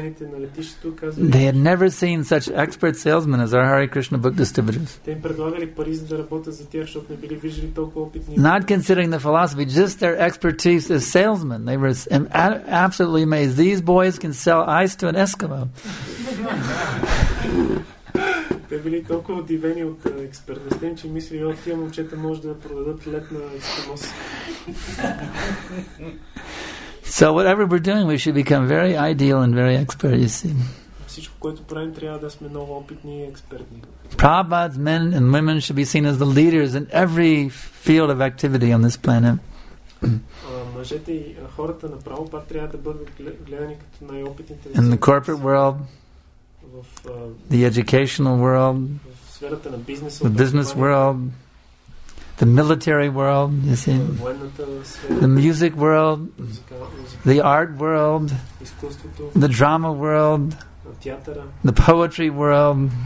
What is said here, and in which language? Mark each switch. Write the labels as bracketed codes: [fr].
[en] They had never seen such expert salesmen as our Hare Krishna book distributors. Not considering the philosophy, just their expertise as salesmen. They were absolutely amazed. These boys can sell ice to an Eskimo. [bg] Те били толкова удивени от експертността им, че мисли, о, тия момчета може да продадат лед на ескимос. [en] So whatever we're doing, we should become very ideal and very expert, you see. [bg] Всичко, което правим, трябва да сме много опитни и експертни. [en] Prabhupada's men and women should be seen as the leaders in every field of activity on this planet. [bg] Мъжете и хората на Prabhupada трябва да бъдат гледани като най-опитните. [en] In the corporate world, the educational world, the business world, the military world, you see, the music world, the art world, the drama world, the poetry world.